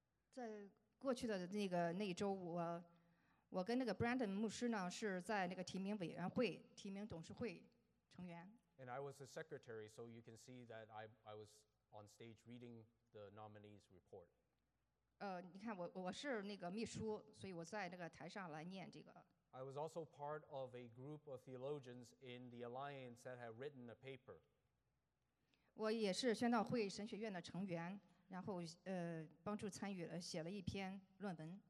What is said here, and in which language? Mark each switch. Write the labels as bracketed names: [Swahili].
[Chinese] 在过去的那一周，我跟那个 Brandon 牧师呢是在那个提名委员会、提名董事会成员。 [English] And I was the secretary, so you can see that I was on stage reading the nominees report. [Chinese] 你看我是那个秘书，所以我在那个台上来念这个。 [English] I was also part of a group of theologians in the alliance that had written a paper. [Chinese] 我也是宣道会神学院的成员。然后，帮助参与了，写了一篇论文。